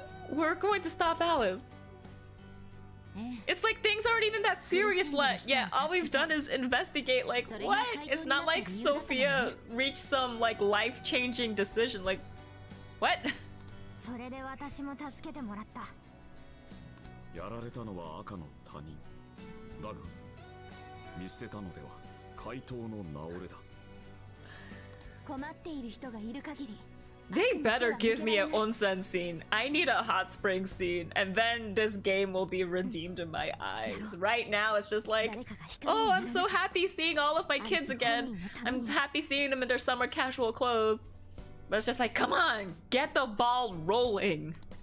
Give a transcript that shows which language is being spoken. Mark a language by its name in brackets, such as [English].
[English] We're going to stop Alice. It's like things aren't even that serious yet. Yeah, all we've done is investigate. Like, what? It's not like Sophia reached some like life-changing decision. Like, What? [Japanese] それで私も助けてもらった。やられたのは赤の他人。だが、見捨てたのでは怪盗の名折れだ。困っている人がいる限り。 [English] They better give me an onsen scene. I need a hot spring scene, and then this game will be redeemed in my eyes. Right now, it's just like, oh, I'm so happy seeing all of my kids again. I'm happy seeing them in their summer casual clothes. But it's just like, come on, get the ball rolling.